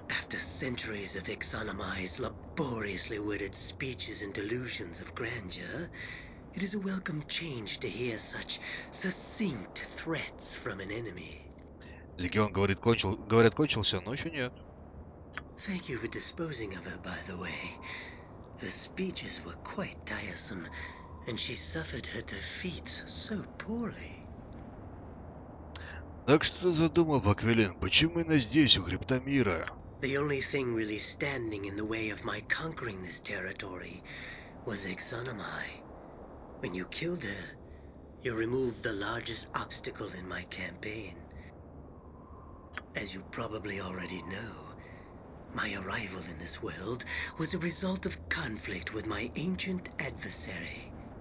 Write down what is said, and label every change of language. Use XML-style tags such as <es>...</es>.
<en>After centuries of exonomized, laboriously worded speeches and delusions of grandeur, it is a welcome change to hear such succinct threats from an enemy.</en> <ru>Легион говорит, кончился, но еще нет.</ru> <en>Thank you for disposing of her, by the way. Her speeches were quite tiresome, and she suffered her defeats so poorly.</en> <ru>Так что ты задумал, Баквелин? Почему именно здесь, у Хребта Мира?</ru> <en>The only thing really standing in the way of my conquering this territory was Exonomai. When you killed her, you removed the largest obstacle in my campaign. As you probably already know, my arrival in this world was a result of conflict with my ancient adversary.</en>